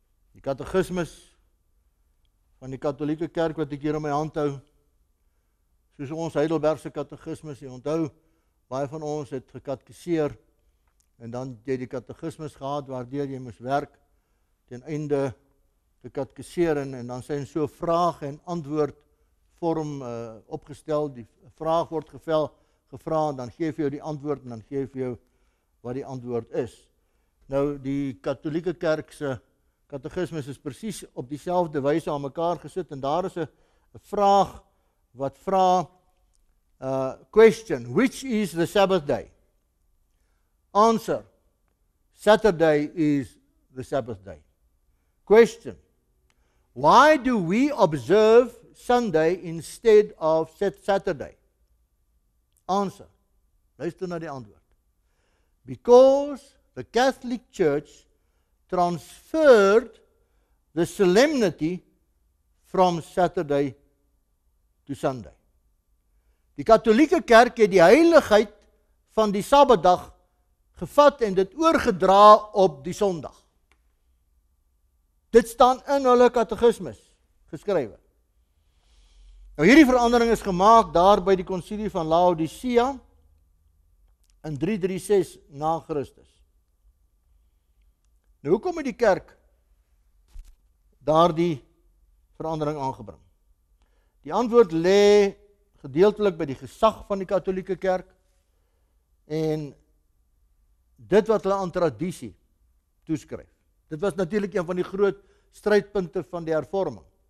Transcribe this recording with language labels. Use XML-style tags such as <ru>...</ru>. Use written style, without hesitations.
<af>Die katechismus van die katolieke kerk wat ek hier in my hand hou, soos ons Heidelbergse katechismus, jy onthou, baie van ons het gekatekiseer, en dan het jy die katechismus gehad, waardeur jy moes werk, ten einde te katekiseer, en dan sy in so vraag en antwoord vorm opgestel, die vraag word gevra, dan geef jy die antwoord, en dan geef jy wat die antwoord is. Nou, die katolieke kerkse katechismus is precies op dieselfde wyse aan mekaar gesit, en daar is een vraag wat vra,</af> <en>question, which is the Sabbath day? Answer, Saturday is the Sabbath day. Question, why do we observe Sunday instead of Saturday? Answer,</en> <af>luister na die antwoord.</af> <en>Because the Catholic Church transferred the solemnity from Saturday to Sunday.</en> <af>Die katolieke kerk het die heiligheid van die Sabbatdag gevat en dit oorgedra op die Sondag. Dit staan in hulle katechismus geskrywe. Nou hierdie verandering is gemaakt daar by die konsilie van Laodicea in 336 na Christus. Nou hoekom het die kerk daar die verandering aangebring? Die antwoord lê gedeeltelik by die gesag van die katolieke kerk en dit wat hulle aan tradisie toeskryf. Dit was natuurlijk een van die groot strijdpunte van die hervorming.</af>